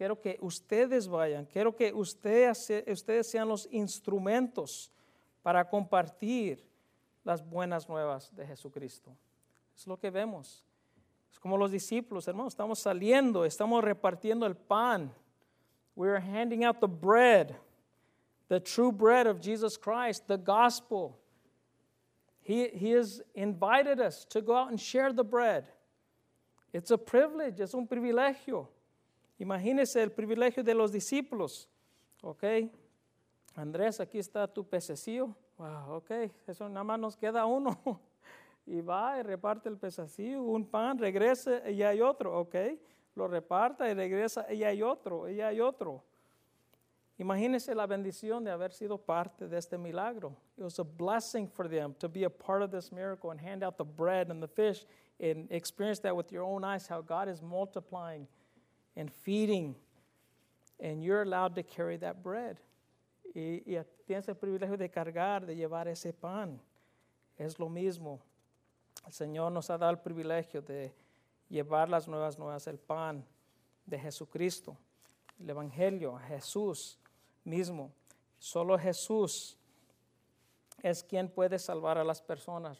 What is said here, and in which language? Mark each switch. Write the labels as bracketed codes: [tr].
[es] Quiero que ustedes vayan, quiero que ustedes sean los instrumentos para compartir las buenas nuevas de Jesucristo. Es lo que vemos. Es como los discípulos, hermanos, estamos saliendo, estamos repartiendo el pan. [en] We are handing out the bread. The true bread of Jesus Christ, the gospel. He has invited us to go out and share the bread. It's a privilege, [es] es un privilegio. Imagínese el privilegio de los discípulos. Okay, Andrés, aquí está tu pececillo. Wow, okay, eso nada más nos queda uno. Y va y reparte el pececillo, un pan, regresa y hay otro. Okay, lo reparta y regresa y hay otro. Imagínense la bendición de haber sido parte de este milagro. [en] It was a blessing for them to be a part of this miracle and hand out the bread and the fish and experience that with your own eyes, how God is multiplying and feeding. And you're allowed to carry that bread. [es] Y tienes el privilegio de cargar, de llevar ese pan. Es lo mismo. El Señor nos ha dado el privilegio de llevar las nuevas nuevas, el pan de Jesucristo. El Evangelio, Jesús mismo. Solo Jesús es quien puede salvar a las personas.